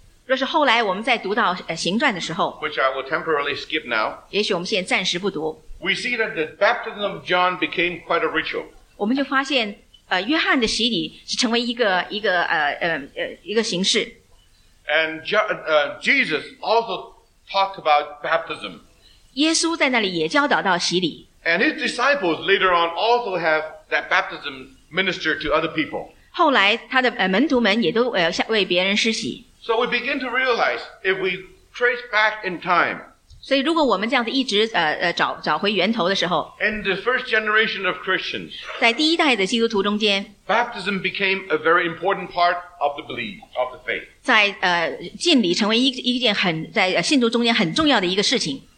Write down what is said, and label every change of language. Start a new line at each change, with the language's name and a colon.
Chinese: 若是后来我们在读到行传的时候
English: ，which I will temporarily skip now,
Chinese: 也许我们现在暂时不读。
English: We see that the baptism of John became quite a ritual.
Chinese: 我们就发现，约翰的洗礼是成为一个形式。
English: And Jesus also talked about baptism.
Chinese: 耶稣在那里也教导到洗礼。
English: And his disciples later on also have that baptism ministered to other people.
Chinese: 后来他的门徒们也都为别人施洗。
English: So we begin to realize if we trace back in time.
Chinese: 所以如果我们这样子一直找回源头的时候。
English: In the first generation of Christians.
Chinese: 在第一代的基督徒中间。
English: Baptism became a very important part of the belief, of the faith.
Chinese: 在浸礼成为一件很在信徒中间很重要的一个事情。